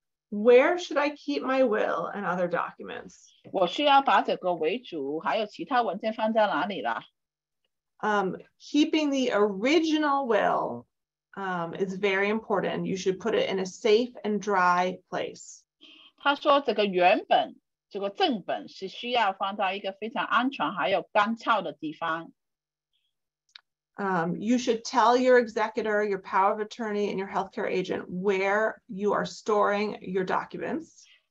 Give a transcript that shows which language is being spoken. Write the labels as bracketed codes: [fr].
[en] Where should I keep my will and other documents? [zh] 我需要把这个遗嘱还有其他文件放在哪里啦？ [en] Keeping the original will is very important. You should put it in a safe and dry place. [zh] 他说这个原本，这个正本是需要放到一个非常安全还有干燥的地方。 [en] You should tell your executor, your power of attorney, and your healthcare agent where you are storing your documents.